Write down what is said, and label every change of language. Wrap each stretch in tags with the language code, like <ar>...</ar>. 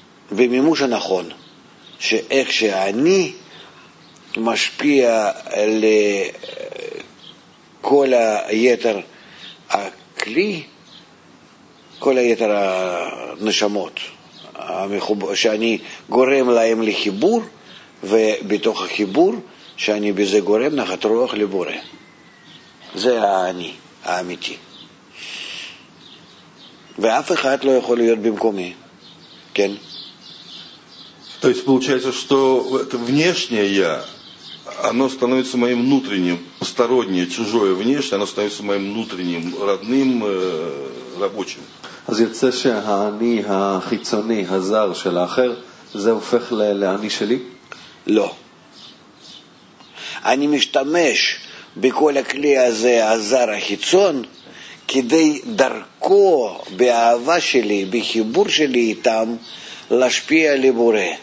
<he>במימוש הנכון, שאיך שאני משפיע לכל היתר הכלי, כל היתר הנשמות שאני גורם להם לחיבור, ובתוך החיבור שאני בזה גורם נחת רוח לבורא. זה האני האמיתי. ואף אחד לא יכול להיות במקומי. כן.</he> <ru>То есть получается, что это внешнее я, оно становится моим внутренним, постороннее, чужое внешнее, оно становится моим внутренним, родным, рабочим.</ru> <he>אז יוצא שהאני החיצוני, הזר של האחר, זה הופך לאני שלי? לא. אני משתמש בכל הכלי הזה, הזר החיצון, כדי דרכו, באהבה שלי, בחיבור שלי איתם, להשפיע לבורא.</he>